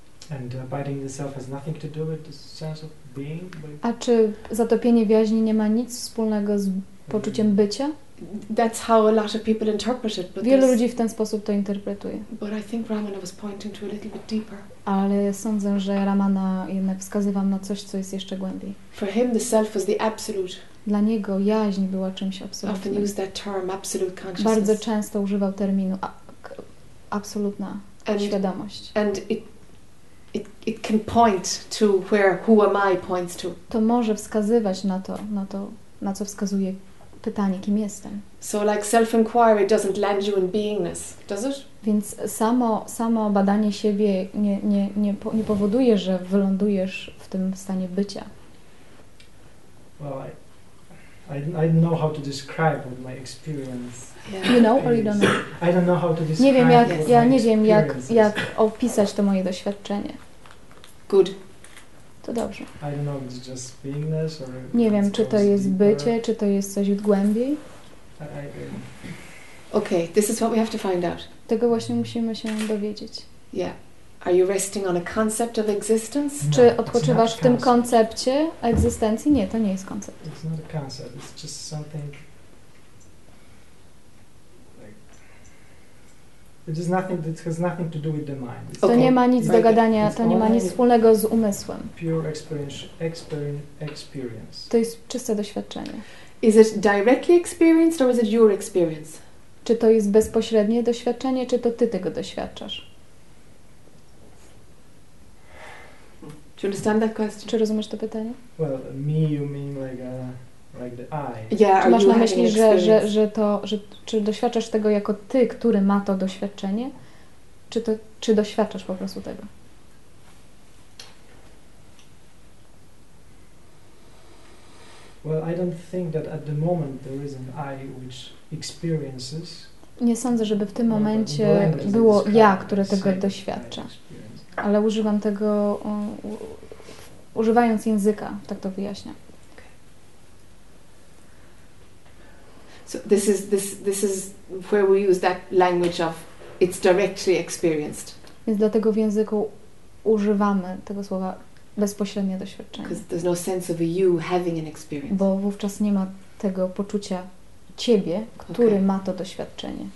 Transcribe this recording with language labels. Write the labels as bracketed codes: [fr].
[en] And abiding the self has nothing to do with the sense of being. [pl] A czy zatopienie w jaźni nie ma nic wspólnego z poczuciem bycia? [en] That's how a lot of people interpret it. [pl] Wielu ludzi w ten sposób to interpretuje. [en] But I think Ramana was pointing to a little bit deeper. [pl] Ale sądzę, że Ramana jednak wskazywał na coś, co jest jeszcze głębiej. [en] For him, the self was the absolute. [pl] Dla niego jaźń była czymś absolutnym. [en] Often used that term, absolute consciousness. [pl] Bardzo często używał terminu absolutna świadomość. [en] And it can point to where who am I points to. [pl] To może wskazywać na to, na co wskazuje. Pytanie, kim jestem. [en] So like self-inquiry doesn't land you in beingness, does it? [pl] Więc samo badanie siebie nie powoduje, że wylądujesz w tym stanie bycia. [en] Well, I don't know how to describe what my experience. Yeah. You know, or you don't know. I don't know how to describe. [pl] Nie wiem jak, [en] what [pl] ja [en] my [pl] nie wiem jak opisać to moje doświadczenie. [en] Good. [pl] To dobrze. [en] I don't know if it's just beingness or. [pl] Nie wiem, czy to jest bycie, czy to jest coś głębiej. [en] Okay, this is what we have to find out. [pl] Tego właśnie musimy się dowiedzieć. [en] Yeah. Are you resting on a concept of existence? No, [pl] czy odpoczywasz w tym koncepcie egzystencji? Nie, to nie jest koncept. [en] It's not a concept, it's just something. It is nothing, it has nothing to do with the mind. Okay. [pl] To nie ma nic do gadania, to nie ma nic wspólnego z umysłem. [en] Pure experience. [pl] To jest czyste doświadczenie. [en] Is it directly experienced or is it your experience? [pl] Czy to jest bezpośrednie doświadczenie, czy to ty tego doświadczasz? [en] Do you understand that question? [pl] Czy rozumiesz to pytanie? [en] Well, me, you mean like the I. Yeah, [pl] czy masz na myśli, że czy doświadczasz tego jako ty, który ma to doświadczenie? Czy doświadczasz po prostu tego? [en] Well, I don't think that at the moment there is an I which experiences. [pl] Nie sądzę, żeby w tym momencie było ja, które tego doświadcza. Ale używam tego, używając języka, tak to wyjaśniam. [en] Okay. So this is where we use that language of it's directly experienced. [pl] Więc dlatego w języku używamy tego słowa bezpośrednie doświadczenie. [en] Because there's no sense of you having an experience. [pl] Bo wówczas nie ma tego poczucia ciebie, który ma to doświadczenie.